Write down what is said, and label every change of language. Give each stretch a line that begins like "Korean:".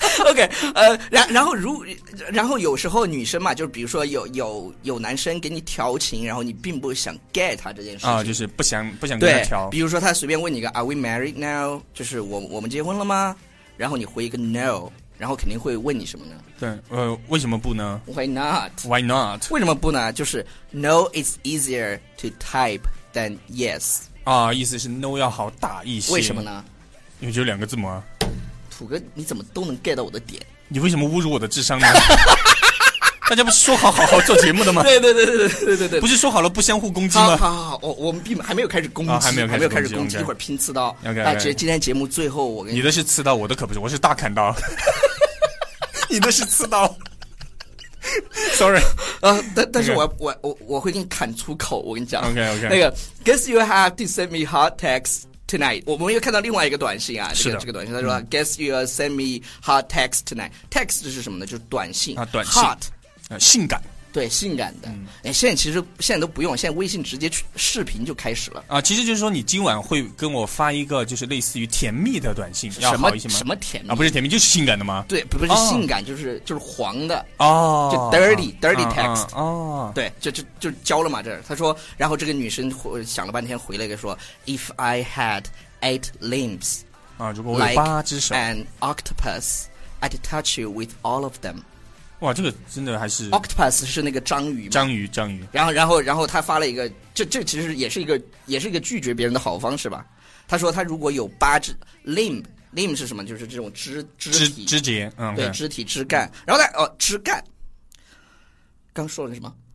Chinese: OK， 然后有时候女生嘛，就是比如说有男生给你调情，然后你并不想 get 他这件事情啊，就是不想跟他调。比如说他随便问你一个
English: Are we married now？
Chinese: 就是我们结婚了吗？然后你回一个 No， 然后肯定会问你什么呢？对，为什么不呢
English: ？Why not？ Why not？
Chinese: 为什么不呢？就是
English: No is easier to type than Yes
Chinese: 啊，意思是 No 要好打一些。为什么呢？因为只有两个字母啊。土哥你怎么都能 get 到我的点，你为什么侮辱我的智商呢？大家不是说好做节目的吗？对对对对对对对，不是说好了不相互攻击吗？好好好，我们还没有开始攻击、啊、还没有开始攻击
English: okay.
Chinese: 一会儿拼刺刀
English: OK、
Chinese: 啊、今天节目最后我跟你的是刺刀，我的可不是，我是大砍刀。你的是刺刀。
English: Sorry、
Chinese: 但是我、okay. 我会给你砍出口，我跟你讲
English: OK OK
Chinese: 那个
English: Guess you have to send me hot textTonight，
Chinese: 我们又看到另外一个短信啊，是的，这个短信他说、
English: 嗯、Guess you send me hot text tonight。
Chinese: Text 是什么呢？就是短信啊，短信
English: hot、
Chinese: 性感，对，性感的、嗯、哎，现在其实现在都不用，现在微信直接视频就开始了啊。其实就是说你今晚会跟我发一个就是类似于甜蜜的短信要好一些吗？什么甜蜜啊？不是甜蜜就是性感的吗？对，不是性感、哦、就是黄的哦，
English: 就 dirty、dirty text、
Chinese: 哦、对，就交了嘛。这他说，然后这个女生想了半天回了一个说
English: If I had eight limbs、
Chinese: 啊、如果我有八只手
English: like an octopus I'd touch you with all of them。
Chinese: 哇，这个真的还是 Octopus 是那个章鱼吗？章鱼。然后他发了一个，这其实也是一个拒绝别人的好方式吧。他说他如果有八只 limb 是什么？就是这种肢节
English: 、嗯 okay、
Chinese: 对，肢体枝干。然后他枝干刚说了什么？